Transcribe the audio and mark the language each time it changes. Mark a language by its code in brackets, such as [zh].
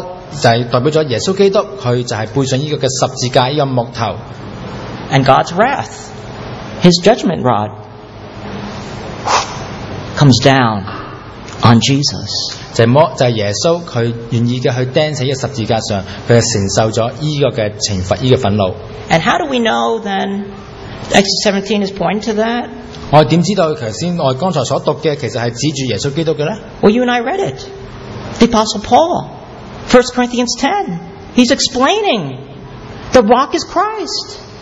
[zh] 就是代表了耶稣基督，他就是背上这个十字架，这个木头。 [en] And God's wrath, His judgment rod, comes down on Jesus. [zh] 就是耶稣, 他愿意的去钉死在十字架上, 他承受了这个惩罚, 这个愤怒。 [en] And how do we know then Exodus 17 is pointing to that? [zh] 我怎么知道刚才所读的, 其实是指着耶稣基督的呢? [en] Well, you and I read it. The Apostle Paul, 1 Corinthians 10, he's explaining the rock is Christ.